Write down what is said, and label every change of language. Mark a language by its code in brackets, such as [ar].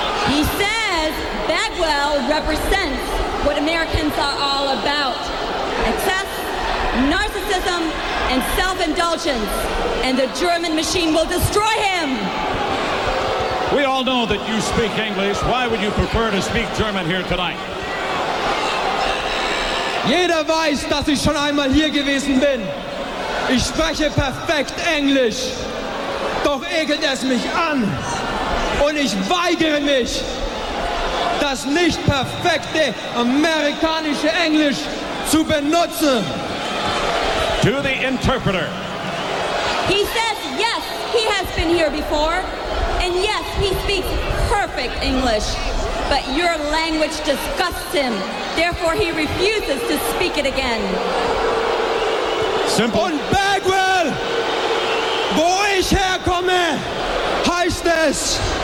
[en] He says Bagwell represents what Americans are all about. Excess, narcissism, and self-indulgence. And the German machine will destroy him. We all know that you speak English. Why would you prefer to speak German here tonight? [de] Jeder weiß, dass ich schon einmal hier gewesen bin. Ich spreche perfekt Englisch. Doch ekelt es mich an. Und ich weigere mich, das nicht perfekte amerikanische Englisch zu benutzen. [en] To the interpreter. He says, yes, he has been here before. And yes, he speaks perfect English. But your language disgusts him. Therefore, he refuses to speak it again. Simple. [de] Und Bagwell, wo ich herkomme, heißt es...